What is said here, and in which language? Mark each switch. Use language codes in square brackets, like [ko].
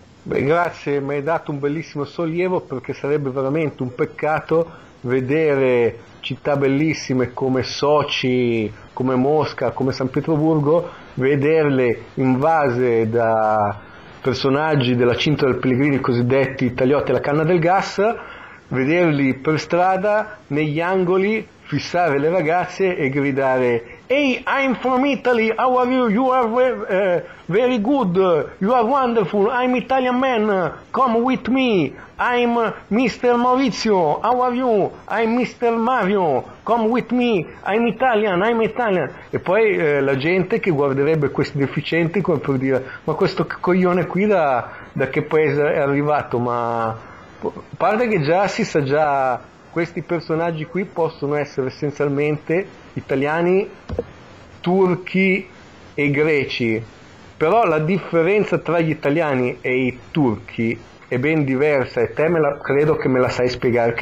[it] Beh, grazie, mi hai dato un bellissimo sollievo, perché sarebbe veramente un peccato vedere città bellissime come Sochi, come Mosca, come San Pietroburgo, vederle invase da personaggi della cinta del pellegrino, i cosiddetti italioti alla canna del gas, vederli per strada, negli angoli, fissare le ragazze e gridare: [en] "Hey, I'm from Italy, how are you? You are very good, you are wonderful, I'm Italian man, come with me, I'm Mr. Maurizio, how are you? I'm Mr. Mario, come with me, I'm Italian. [it] E poi la gente che guarderebbe questi deficienti come per dire: ma questo coglione qui da che paese è arrivato? Ma a parte che già si sa già, questi personaggi qui possono essere essenzialmente italiani, turchi e greci, però la differenza tra gli italiani e i turchi è ben diversa, e te credo che me la sai spiegare.